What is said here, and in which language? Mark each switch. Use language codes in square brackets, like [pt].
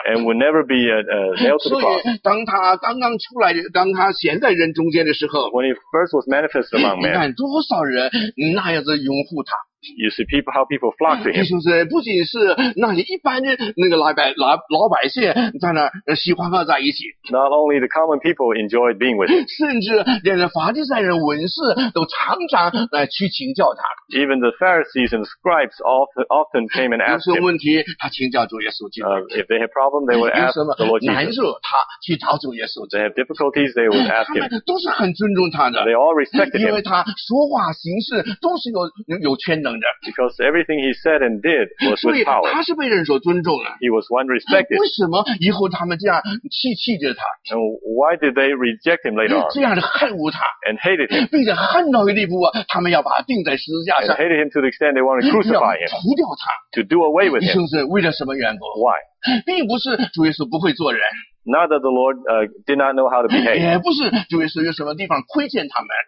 [en] And would never be nailed to the cross. [zh] 所以，当他刚刚出来，当他显在人中间的时候 [en] ，When he first was manifest among men, [zh] 你看多少人那样子拥护他。 [en] You see people how people flock to him. [zh] 弟兄姊妹，不仅是那些一般的那个老百姓在那喜欢和在一起。 [en] Not only the common people enjoyed being with him. [zh] 甚至连法利赛人、文士都常常来去请教他。 [en] Even the Pharisees and scribes often came and asked him. [zh] 有什么问题，他请教主耶稣基督。 [en] If they have problem, they would ask the Lord Jesus. [zh] 难处，他去找主耶稣。 [en] They have difficulties, they would ask him. [zh] 他们都是很尊重他的。 [en] They all respected him. [zh] 因为他说话行事都是有权能。 [en] Because everything he said and did was with power. [zh] 他是被人所尊重的。 [en] He was one respected. [zh] 为什么以后他们这样弃绝他？ [en] And why did they reject him later on? [zh] 这样的恨恶他。 [en] And hated him. [zh] 并且恨到一地步，他们要把他钉在十字架上。 [en] And hated him to the extent they wanted to crucify him. [zh] 要除掉他。 [en] To do away with him. [zh] 弟兄姊妹，为了什么缘故？ [en] Why? [zh] 并不是主耶稣不会做人。 [en] Not that the Lord did not know how to behave. [zh] 也不是主耶稣有什么地方亏欠他们。